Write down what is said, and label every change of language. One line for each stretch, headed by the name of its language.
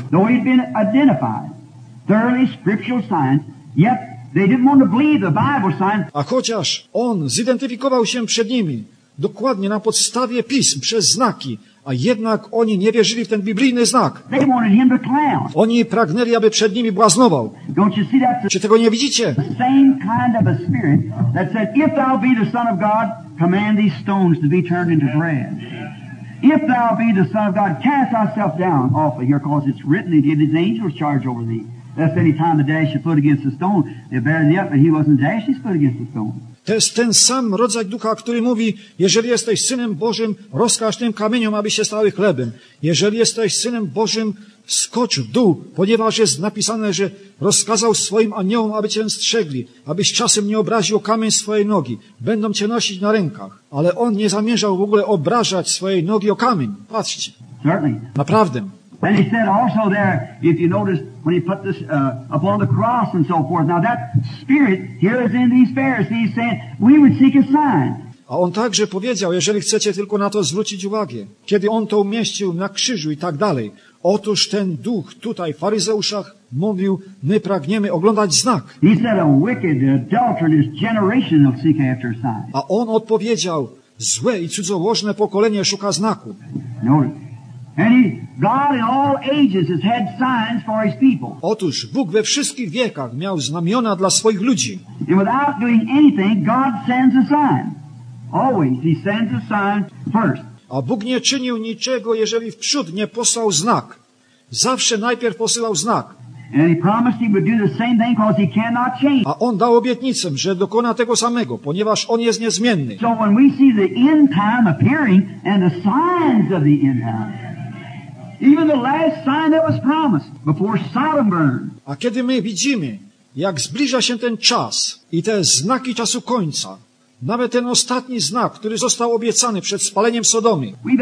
English: Though he'd been identified, thoroughly scriptural sign, yet they didn't want to believe the Bible sign.
Polish: A chociaż on zidentyfikował się przed nimi, dokładnie na podstawie pism, przez znaki, a jednak oni nie wierzyli w ten biblijny znak.
English: They wanted him to clown.
Polish: Oni pragnęli, aby przed nimi błaznował.
English: Don't you see that?
Polish: Czy tego nie widzicie?
English: The same kind of a spirit that said, if thou be the Son of God, command these stones to be turned into bread. If thou be the Son of God, cast thyself down off of here, cause it's written, he gave his angels charge over thee. Lest any time to dash your foot against the stone, they bear thee up, but he wasn't dashed his foot against the stone.
Polish: To jest ten sam rodzaj ducha, który mówi, jeżeli jesteś Synem Bożym, rozkaż tym kamieniom, aby się stały chlebem. Jeżeli jesteś Synem Bożym, skocz w dół, ponieważ jest napisane, że rozkazał swoim aniołom, aby cię strzegli, abyś czasem nie obraził kamień swojej nogi. Będą cię nosić na rękach. Ale on nie zamierzał w ogóle obrażać swojej nogi o kamień. Patrzcie.
English: Certainly.
Polish: Naprawdę.
English: Then he said also there, if you notice, when he put this upon the cross and so forth. Now that spirit here is in these Pharisees saying, we would seek a sign.
Polish: A on także powiedział, jeżeli chcecie tylko na to zwrócić uwagę, kiedy on to umieścił na krzyżu i tak dalej, otóż ten duch tutaj w faryzeuszach mówił, my pragniemy oglądać znak.
English: He said, a wicked, adulterous generation will seek after a sign.
Polish: A on odpowiedział, złe i cudzołożne pokolenie szuka znaku.
English: Notice. And God in all ages has had signs for his people.
Polish: Otóż Bóg we wszystkich wiekach miał znamiona dla swoich ludzi.
English: And without doing anything, God sends a sign. Always he sends a sign first.
Polish: A Bóg nie czynił niczego, jeżeli wprzód nie posłał znak. Zawsze najpierw posyłał znak.
English: And he promised he would do the same thing because he cannot change.
Polish: A on dał obietnicę, że dokona tego samego, ponieważ on jest niezmienny.
English: So when we see the end time appearing and the signs of the end time, even the last sign that was promised before Sodom burned.
Polish: A kiedy my widzimy jak zbliża się ten czas i te znaki czasu końca, nawet ten ostatni znak, który został obiecany przed spaleniem Sodomy.